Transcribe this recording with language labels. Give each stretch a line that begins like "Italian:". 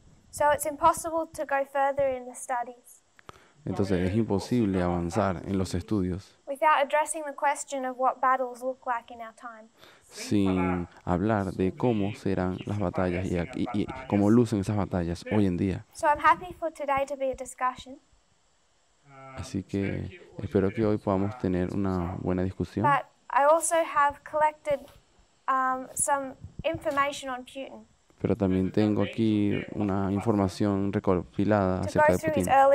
English: So it's impossible to go further in the studies.
Spanish: Entonces es imposible avanzar en los estudios
English: without addressing the question of what battles look like in our time.
Spanish: Sin hablar de cómo serán las batallas y cómo lucen esas batallas hoy en día.
English: So I'm happy for today to be a discussion.
Spanish: Así que espero que hoy podamos tener una buena discusión.
English: But I also have collected some information on Putin.
Spanish: Pero también tengo aquí una información recopilada acerca de Putin.